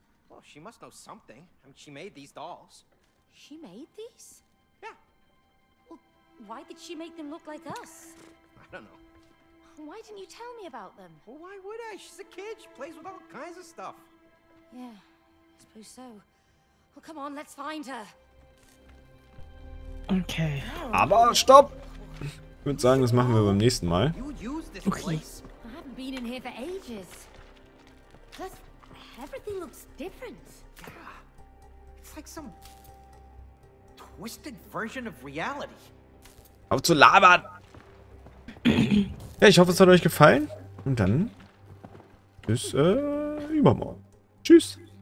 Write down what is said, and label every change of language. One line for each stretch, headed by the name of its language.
English: Well, she must know something. I mean, she made these dolls. She made these? Yeah. Well, why did she make them look like us? I don't know. Why didn't you tell me about them? Well, why would I? She's a kid. She plays with all kinds of stuff. Yeah. I suppose so. Well, come on, let's find her. Okay.
German: Aber stopp! Ich würde sagen, das machen wir beim nächsten Mal. Okay.
English: I haven't been in here for ages. Plus, everything looks different. Yeah. It's like some twisted version of reality.
German: Auf zu labern! Ja, ich hoffe, es hat euch gefallen. Und dann bis übermorgen. Tschüss.